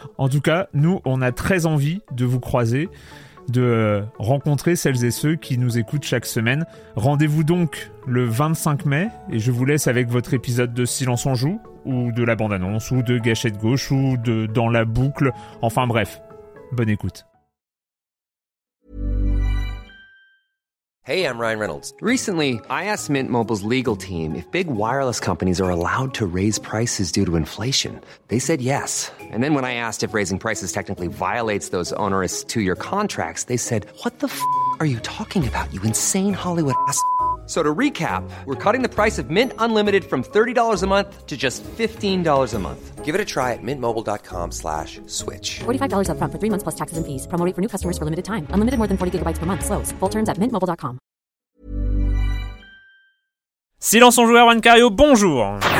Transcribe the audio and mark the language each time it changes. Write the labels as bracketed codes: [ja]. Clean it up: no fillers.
[fr] En tout cas, nous, on a très envie de vous croiser, de rencontrer celles et ceux qui nous écoutent chaque semaine. Rendez-vous donc le 25 mai et je vous laisse avec votre épisode de Silence on Joue, ou de la bande-annonce, ou de Gâchette Gauche, ou de Dans la boucle. Enfin bref, bonne écoute. [en] Hey, I'm Ryan Reynolds. Recently, I asked Mint Mobile's legal team if big wireless companies are allowed to raise prices due to inflation. They said yes. And then when I asked if raising prices technically violates those onerous two-year contracts, they said, what the f*** are you talking about, you insane Hollywood ass f***? So to recap, we're cutting the price of Mint Unlimited from $30 a month to just $15 a month. Give it a try at mintmobile.com/switch. $45 up front for 3 months plus taxes and fees. Promo rate for new customers for limited time. Unlimited more than 40 gigabytes per month. Slows full terms at mintmobile.com. [fr] Silence on joueur, Juan Cario, bonjour.